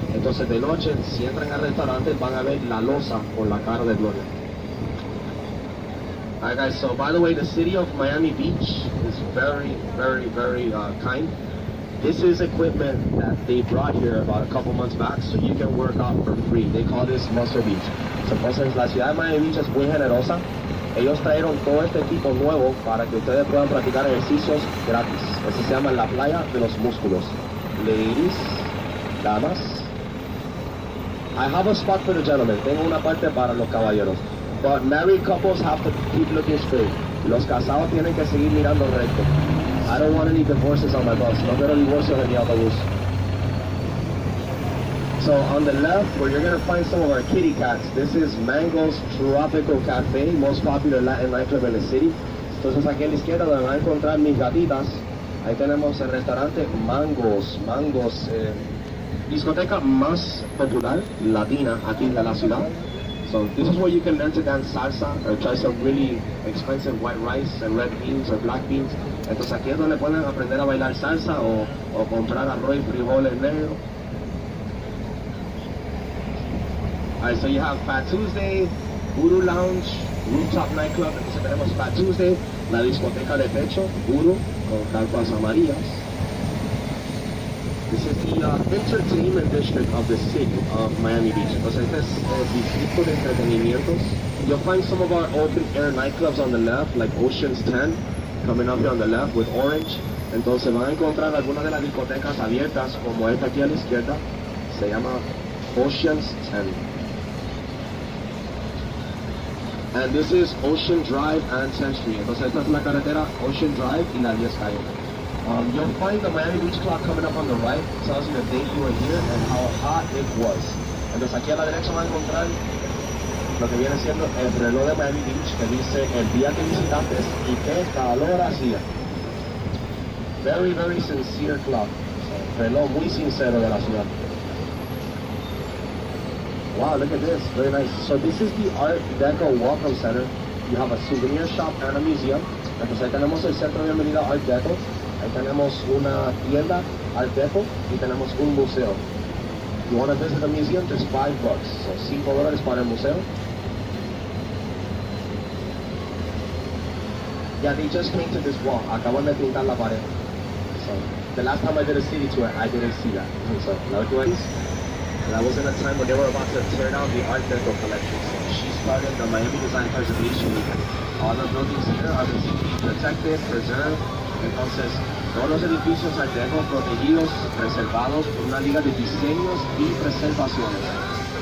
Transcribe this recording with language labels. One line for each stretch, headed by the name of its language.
Spanish: Entonces, de noche, si entran al restaurante, van a ver la losa con la cara de Gloria.
English: Alright guys, so by the way, the city of Miami Beach is very, very, very kind. This is equipment that they brought here about a couple months back, so you can work out for free. They call this Muscle Beach.
Spanish: Entonces, la ciudad de Miami Beach es muy generosa. Ellos trajeron todo este equipo nuevo para que ustedes puedan practicar ejercicios gratis. Eso se llama la playa de los músculos.
English: Ladies, damas. I have a spot for the gentlemen.
Spanish: Tengo una parte para los caballeros.
English: But married couples have to keep looking straight.
Spanish: Los casados tienen que seguir mirando recto.
English: I don't want any divorces on my bus.
Spanish: No quiero divorcios en mi autobús.
English: So on the left, where you're going to find some of our kitty cats, this is Mango's Tropical Cafe, most popular Latin nightclub in the city.
Spanish: Entonces aquí a la izquierda donde van a encontrar mis gatitas, ahí tenemos el restaurante Mango's. Mango's, discoteca más popular, latina, aquí en la ciudad.
English: So this is where you can learn to dance salsa or try some really expensive white rice and red beans or black beans.
Spanish: Entonces aquí es donde pueden aprender a bailar salsa o comprar arroz y frijoles negro.
English: Alright, so you have Fat Tuesday, Guru Lounge, Rooftop Nightclub.
Spanish: Entonces tenemos Fat Tuesday, la discoteca de techo, Guru, con carpas amarillas.
English: This is the entertainment district of the city of Miami Beach.
Spanish: Entonces, este es el distrito de entretenimientos.
English: You'll find some of our open-air nightclubs on the left, like Ocean's 10, coming up here on the left with Orange.
Spanish: Entonces, van a encontrar algunas de las discotecas abiertas, como esta aquí a la izquierda. Se llama Ocean's 10.
English: And this is Ocean Drive and 10th Street.
Spanish: Entonces, esta es la carretera Ocean Drive y la 10th calle.
English: You'll find the Miami Beach clock coming up on the right. It tells you the date you were here and how hot it was.
Spanish: Entonces aquí a la derecha van a encontrar lo que viene siendo el reloj de Miami Beach, que dice el día que visitaste y qué calor hacía.
English: Very, very sincere clock.
Spanish: Reloj muy sincero de la ciudad.
English: Wow, look at this. Very nice. So this is the Art Deco Welcome Center. You have a souvenir shop and a museum.
Spanish: Entonces ahí tenemos el centro de bienvenida Art Deco. Ahí tenemos una tienda, Art Deco, y tenemos un museo.
English: You want to visit the museum, just $5. So, $5
Spanish: para el museo.
English: Yeah, they just painted this wall.
Spanish: Acaban de pintar la pared.
English: So, the last time I did a city tour, I didn't see that. And so, likewise, that was in a time when they were about to tear down the Art Deco collection. So, she started the Miami Design Preservation Week. All the buildings here are being protected, preserved.
Spanish: Entonces, todos los edificios Art Deco protegidos, preservados por una liga de diseños y preservaciones.